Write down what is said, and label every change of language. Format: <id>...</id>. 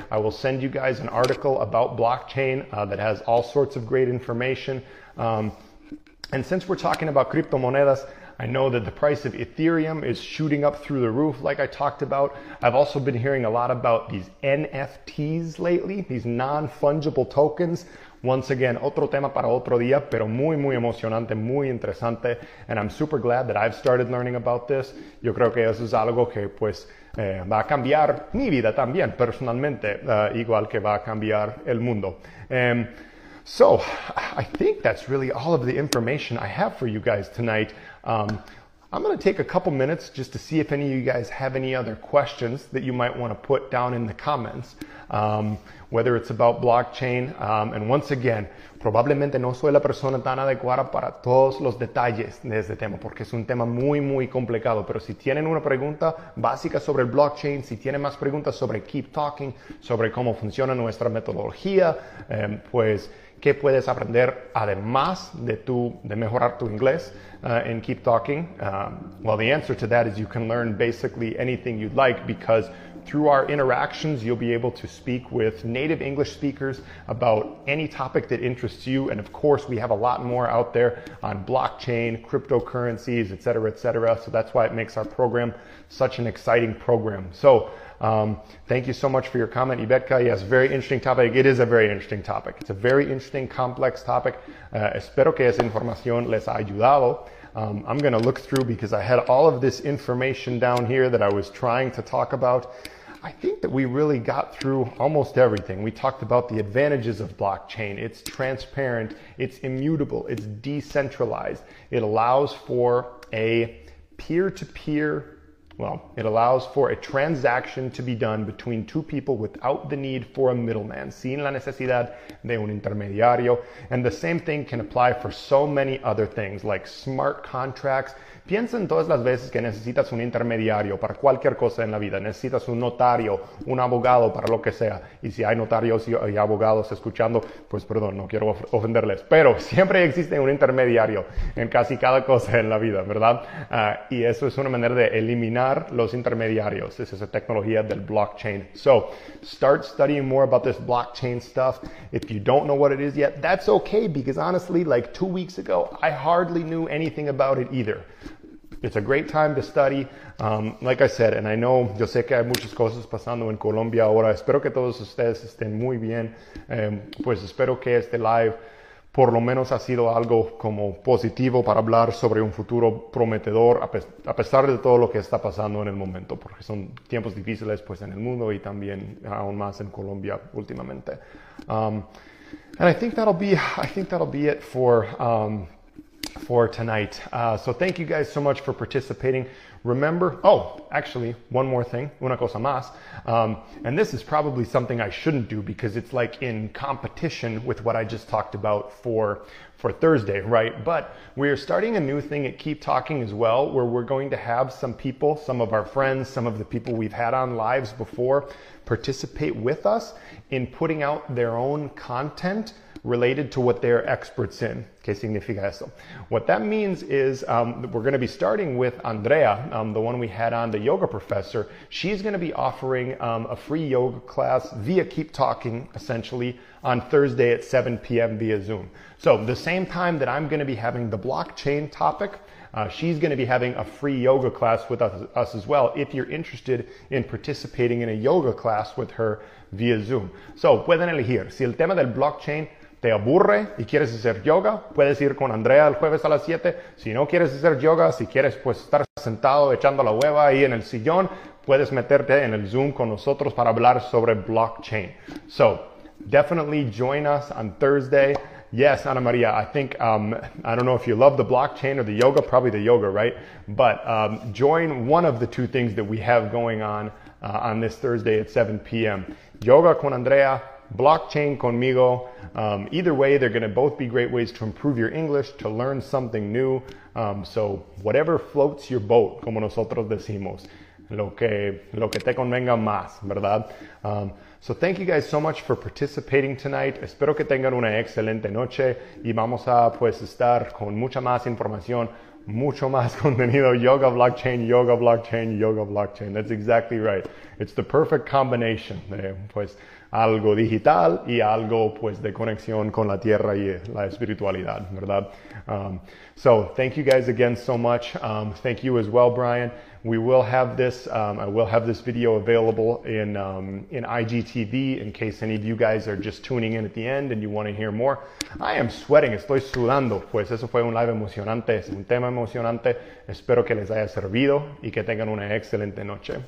<en>I will send you guys an article about blockchain that has all sorts of great information. And since we're talking about criptomonedas, I know that the price of Ethereum is shooting up through the roof, like I talked about. I've also been hearing a lot about these NFTs lately, these non-fungible tokens. Once again,</en> <es>otro tema para otro día, pero muy, muy emocionante, muy interesante.</es> <en>And I'm super glad that I've started learning about this.</en> <es>Yo creo que eso es algo que, pues, va a cambiar mi vida también, personalmente, igual que va a cambiar el mundo.</es> <en>So, I think that's really all of the information I have for you guys tonight. I'm going to take a couple minutes just to see if any of you guys have any other questions that you might want to put down in the comments, whether it's about blockchain. And once again,</en> <es>probablemente no soy la persona tan adecuada para todos los detalles de este tema, porque es un tema muy, muy complicado. Pero si tienen una pregunta básica sobre el blockchain, si tienen más preguntas sobre Keep Talking, sobre cómo funciona nuestra metodología, pues, ¿qué puedes aprender además de mejorar tu inglés in Keep Talking?</es> <en>Well, the answer to that is you can learn basically anything you'd like, because through our interactions, you'll be able to speak with native English speakers about any topic that interests you. And of course, we have a lot more out there on blockchain, cryptocurrencies, et cetera, et cetera. So that's why it makes our program such an exciting program. So thank you so much for your comment, Ibetka. Yes, very interesting topic. It is a very interesting topic. It's a very interesting, complex topic.</en> <es>Espero que esa información les ha ayudado.</es> <en>I'm going to look through, because I had all of this information down here that I was trying to talk about. I think that we really got through almost everything. We talked about the advantages of blockchain. It's transparent. It's immutable. It's decentralized. It allows for a peer-to-peer, well, it allows for a transaction to be done between two people without the need for a middleman,</en> <es>sin la necesidad de un intermediario.</es> <en>And the same thing can apply for so many other things, like smart contracts.</en> <es>Piensa en todas las veces que necesitas un intermediario para cualquier cosa en la vida. Necesitas un notario, un abogado, para lo que sea. Y si hay notarios y abogados escuchando, pues perdón, no quiero ofenderles. Pero siempre existe un intermediario en casi cada cosa en la vida, ¿verdad? Y eso es una manera de eliminar los intermediarios. Es esa tecnología del blockchain.</es> <en>So, start studying more about this blockchain stuff. If you don't know what it is yet, that's okay, because honestly, like 2 weeks ago, I hardly knew anything about it either. It's a great time to study. Like I said, and I know,</en> <es>yo sé que hay muchas cosas pasando en Colombia ahora. Espero que todos ustedes estén muy bien. Pues espero que este live por lo menos ha sido algo como positivo para hablar sobre un futuro prometedor a pesar de todo lo que está pasando en el momento, porque son tiempos difíciles, pues, en el mundo y también aún más en Colombia últimamente.</es> <en>And I think that'll be it for tonight. So thank you guys so much for participating. Remember, oh, actually, one more thing,</en> <es>una cosa más.</es> <en>And this is probably something I shouldn't do, because it's like in competition with what I just talked about for Thursday, right? But we're starting a new thing at Keep Talking as well, where we're going to have some people, some of our friends, some of the people we've had on lives before, participate with us in putting out their own content related to what they're experts in.</en> <es>¿Qué significa eso?</es> <en>What that means is we're going to be starting with Andrea, the one we had on, the yoga professor. She's going to be offering a free yoga class via Keep Talking, essentially, on Thursday at 7 p.m. via Zoom. So the same time that I'm going to be having the blockchain topic, she's going to be having a free yoga class with us as well, if you're interested in participating in a yoga class with her via Zoom. So,</en> <es>pueden elegir. Si el tema del blockchain te aburre y quieres hacer yoga, puedes ir con Andrea el jueves a las 7. Si no quieres hacer yoga, si quieres pues estar sentado echando la hueva ahí en el sillón, puedes meterte en el Zoom con nosotros para hablar sobre blockchain.</es> <en>So, definitely join us on Thursday. Yes, Ana Maria, I think, I don't know if you love the blockchain or the yoga, probably the yoga, right? But join one of the two things that we have going on this Thursday at 7 p.m.</en> <es>Yoga con Andrea, blockchain conmigo.</es> <en>Either way, they're going to both be great ways to improve your English, to learn something new. So whatever floats your boat,</en> <es>como nosotros decimos, lo que te convenga más, ¿verdad?</es> <en>So thank you guys so much for participating tonight.</en> <es>Espero que tengan una excelente noche y vamos a pues estar con mucha más información, mucho más contenido.</es> <en>Yoga blockchain, yoga blockchain, yoga blockchain. That's exactly right. It's the perfect combination.</en> <es>Pues algo digital y algo pues de conexión con la tierra y la espiritualidad, ¿verdad?</es> <en>So thank you guys again so much. Thank you as well, Brian. We will have this, I will have this video available in IGTV in case any of you guys are just tuning in at the end and you want to hear more. I am sweating,</en> <es>estoy sudando. Pues eso fue un live emocionante, es un tema emocionante. Espero que les haya servido y que tengan una excelente noche.</es>